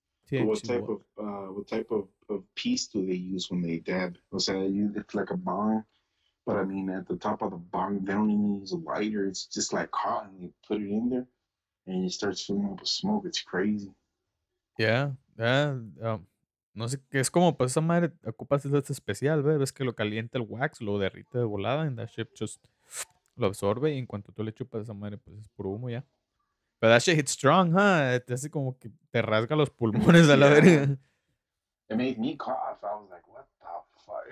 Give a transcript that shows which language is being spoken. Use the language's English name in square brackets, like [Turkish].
[English] What type of piece do they use when they dab? [Spanish] O sea, [English] it's like a bong. But I mean, at the top of the bong, they don't even use a lighter. It's just like hot, and you put it in there, and it starts filling up with smoke. It's crazy. Yeah. [Spanish] No sé, que es como, pues esa madre ocupas es especial, ¿ves? Ves que lo calienta el wax, lo derrite de volada, [English] and that shit just [Spanish] lo absorbe, y en cuanto tú le chupas esa madre, pues es puro humo, ya. [English] Yeah. But that shit hits strong, huh? [Spanish] Te hace como que te rasga los pulmones a la verga. [English] It made me cough. I was like, what the fuck?